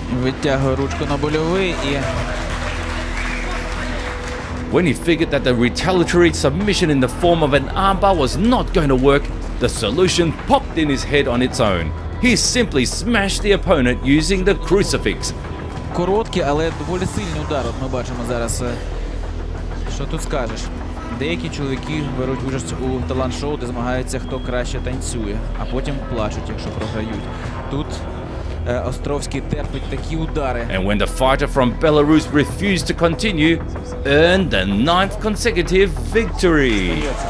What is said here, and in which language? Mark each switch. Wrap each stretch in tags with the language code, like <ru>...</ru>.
<uk>витягує ручку на больовий і.</uk> <en>When he figured that the retaliatory submission in the form of an armbar was not going to work, the solution popped in his head on its own. He simply smashed the opponent using the crucifix.</en> <uk>Короткий, але доволі сильний удар. От ми бачимо зараз, що тут скажеш. Деякі чоловіки беруть участь у талант-шоу, де змагаються, хто краще танцює, а потім плачуть, якщо програють. Тут Островський терпить такі удари.</uk> <en>And when the fighter from Belarus refused to continue, earned the ninth consecutive victory.</en>